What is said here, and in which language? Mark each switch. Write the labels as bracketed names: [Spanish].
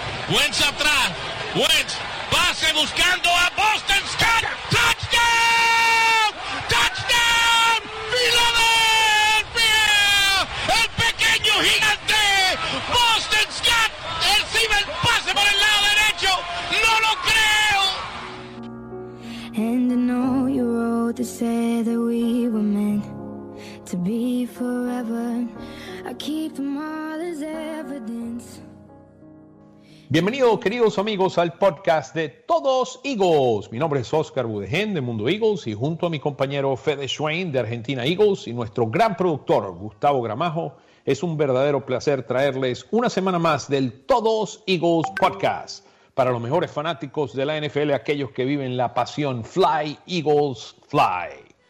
[Spanish] Wentz atrás. Wentz. Pase buscando a Boston Scott. ¡Touchdown! ¡Touchdown! ¡Filadelfia! ¡El pequeño gigante! ¡Boston Scott! ¡Recibe el pase por el lado derecho! ¡No lo creo! [English] And I know you wrote to say that we were meant to be forever. I keep them all as evidence. [Spanish] Bienvenidos, queridos amigos, al podcast de Todos Eagles. Mi nombre es Oscar Budegen, de Mundo Eagles, y junto a mi compañero Fede Schwein, de Argentina Eagles, y nuestro gran productor, Gustavo Gramajo, es un verdadero placer traerles una semana más del Todos Eagles Podcast. Para los mejores fanáticos de la NFL, aquellos que viven la pasión [English] Fly Eagles Fly.